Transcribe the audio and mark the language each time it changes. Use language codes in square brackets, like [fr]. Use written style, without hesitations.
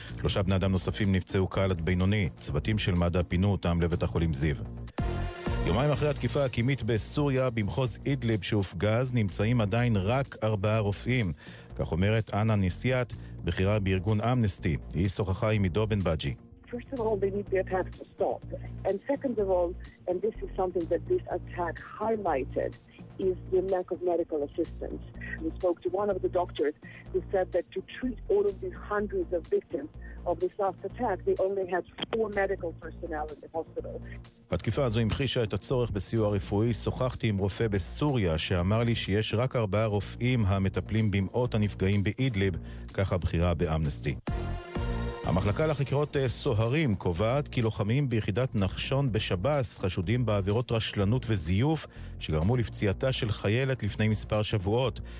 [he] שלושה בני אדם נוספים נפצעו קל עד בינוני. צוותים של מד"א פינו אותם לבית החולים זיו. יומיים אחרי התקיפה הקימית בסוריה במחוז אידליב שהופגז, נמצאים עדיין רק ארבעה רופאים. כך אומרת אנה נסיאת, בכירה בארגון אמנסטי. היא שוחחה עם עידו בן בג'י. [en] First of all, they need the attack to stop. And second of all, and this is something that this attack highlighted, is the lack of medical assistance. We spoke to one of the doctors who said that to treat all of these hundreds of victims of this last attack, they only had four medical personnel in the hospital. [he] התקיפה הזו המחישה את הצורך בסיוע רפואי. שוחחתי עם רופא בסוריה שאמר לי שיש רק ארבעה רופאים המטפלים במאות הנפגעים באידליב, ככה בחירה באמנסטי. המחלקה לחקירות סוהרים קובעת כי לוחמים ביחידת נחשון בשב"ס חשודים בעבירות רשלנות וזיוף שגרמו לפציעתה של חיילת לפני מספר שבועות.